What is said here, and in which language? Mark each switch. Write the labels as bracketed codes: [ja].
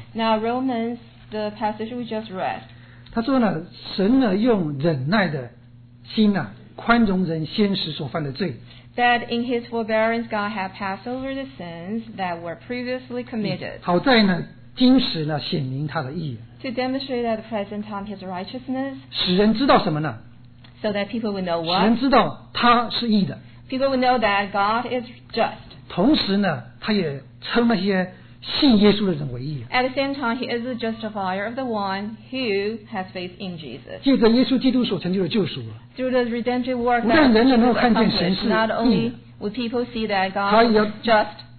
[en] now Romans, the passage we just read, [zh] 他说呢,神呢,用忍耐的心啊,宽容人先时所犯的罪, [en] that in his forbearance God had passed over the sins that were previously committed, [zh] 好在呢,今时呢,显明他的义, [en] to demonstrate at the present time his righteousness, [zh] 使人知道什么呢? [en] So that people would know what? [zh] 使人知道他是义的, [en] people would know that God is just. [zh] 同时呢,他也称那些 信耶稣的人为义, [en] at the same time, he is the justifier of the one who has faith in Jesus. [zh] 借着耶稣基督所成就的救赎, [en] through the redemptive work that Jesus accomplished, not only Would people see that God is just?